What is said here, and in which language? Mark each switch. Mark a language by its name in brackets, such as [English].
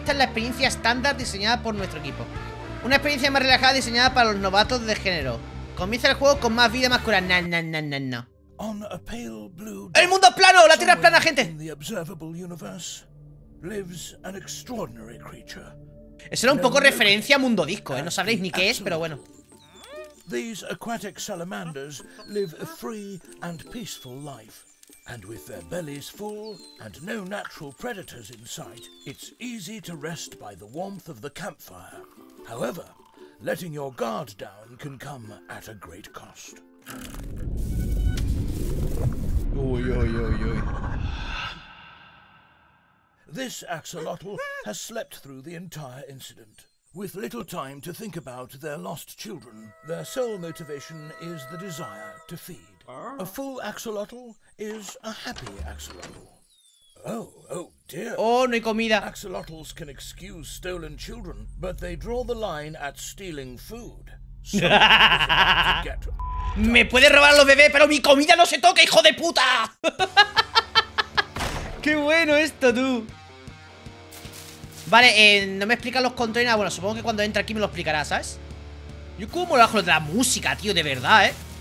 [Spanish] Esta es la experiencia estándar diseñada por nuestro equipo. Una experiencia más relajada diseñada para los novatos de género. Comienza el juego con más vida, más cura. No. [English] On a pale blue dot, [Spanish] ¡el mundo es plano! ¡La tierra es plana, gente! [English] In the observable universe lives an extraordinary creature. [Spanish] Eso era un poco referencia a Mundo Disco, ¿eh? No sabréis ni qué es, pero bueno. [English] These aquatic salamanders live a free and peaceful life. And with their bellies full and no natural predators in sight, it's easy to rest by the warmth of the campfire. However, letting your guard down can come at a great cost. Uy, uy, uy, uy. This axolotl has slept through the entire incident. With little time to think about their lost children, their sole motivation is the desire to feed. A full axolotl is a happy axolotl. Oh dear. [Spanish] Oh, no hay comida. [English] Axolotls can excuse stolen children, but they draw the line at stealing food. So get... [Spanish] Me puede robar los bebés, pero mi comida no se toca, hijo de puta. Qué bueno esto, tú. Vale, no me explican los controles. Bueno, supongo que cuando entra aquí me lo explicará, ¿sabes? Yo como lo bajo de la música, tío, de verdad, ¿eh?